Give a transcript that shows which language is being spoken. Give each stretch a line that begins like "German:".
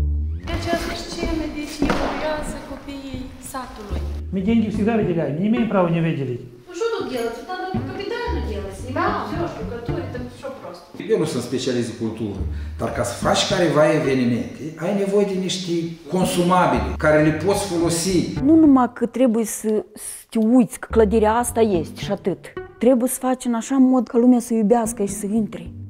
Romanian: Lucrează copiii satului.
Russian: Мы деньги всегда выделяем, не имеем права не выделить. Ну что тут делать? Тут надо капитально делать, снимать все, что готовить, там все просто.
Romanian: Eu nu sunt specialist de cultură, dar ca să faci careva evenimente, ai nevoie de niște consumabile care le poți folosi. Nu numai că trebuie să te uiți că clădirea asta este și atât. Trebuie să faci în așa mod ca lumea să iubească și să intre.